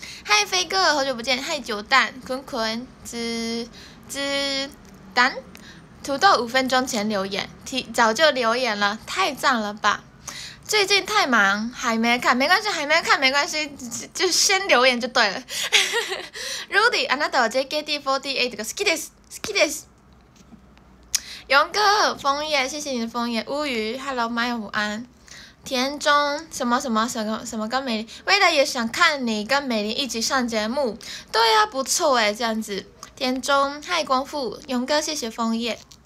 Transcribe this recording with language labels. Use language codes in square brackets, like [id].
[zh] 嗨，飞哥，好久不见。嗨，九蛋，坤坤，子丹，土豆5分钟前留言，早就留言了，太赞了吧！最近太忙，还没看，没关系，还没看，没关系，就先留言就对了。 [ja] Rudy， あなたは JKT48 が好きです，好きです。 [zh] 勇哥，枫叶，谢谢你的枫叶。乌鱼 ，Hello， 麦午安。田中，什么什么什么什么跟美玲，未来也想看你跟美玲一起上节目。对啊，不错哎，这样子。田中，嗨，光复，勇哥，谢谢枫叶。